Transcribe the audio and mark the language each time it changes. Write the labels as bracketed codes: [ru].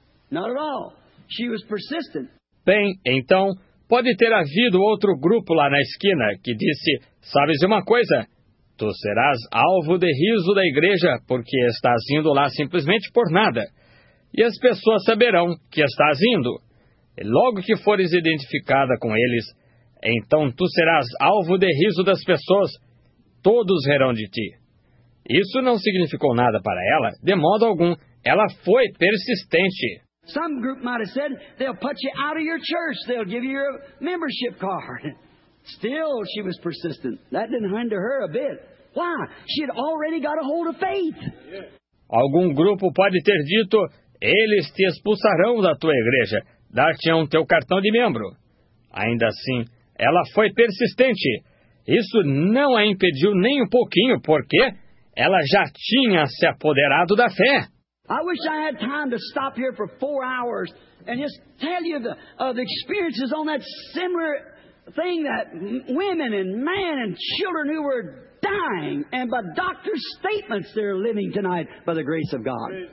[en] Not at all. She was persistent. [pt] Bem, então, pode ter havido outro grupo lá na esquina que disse, sabes uma coisa? Tu serás alvo de riso da igreja, porque estás indo lá simplesmente por nada. E as pessoas saberão que estás indo. E logo que fores identificada com eles, então tu serás alvo de riso das pessoas. Todos rirão de ti. Isso não significou nada para ela, de modo algum. Ela foi persistente. [en] Some group might have said, they'll put you out of your church. They'll give you your membership card. Still, she was persistent. That didn't hinder her a bit. Why? She had already got a hold of faith. [pt] Algum grupo pode ter dito, eles te expulsarão da tua igreja, dar-te-ão teu cartão de membro. Ainda assim, ela foi persistente. Isso não a impediu nem um pouquinho, porque ela já tinha se apoderado da fé. [en] I wish I had time to stop here for 4 hours and just tell you the experiences on that similar... thing that women and men and children who were dying, and by doctor's statements, they're living tonight by the grace of God.